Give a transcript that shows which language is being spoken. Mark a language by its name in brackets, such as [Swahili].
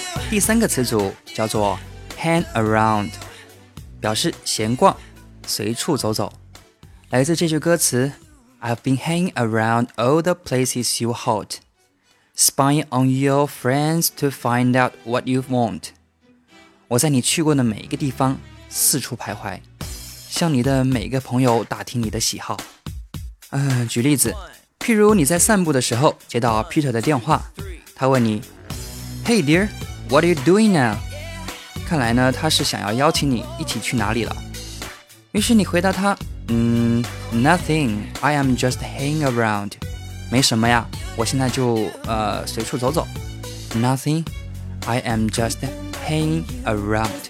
[Chinese] 第三个词组叫做 hang around， 表示闲逛，随处走走。来自这句歌词 [English] I've been hanging around all the places you hold，Spying on your friends to find out what you want， [Chinese] 我在你去过的每一个地方四处徘徊，向你的每一个朋友打听你的喜好。举例子，譬如你在散步的时候接到 Peter 的电话，他问你 [English] Hey dear, what are you doing now? [Chinese] 看来呢他是想要邀请你一起去哪里了。于是你回答他， [English] nothing, I am just hanging around. [Chinese] 没什么呀，我现在就随处走走。 [English] Nothing, I am just hanging around.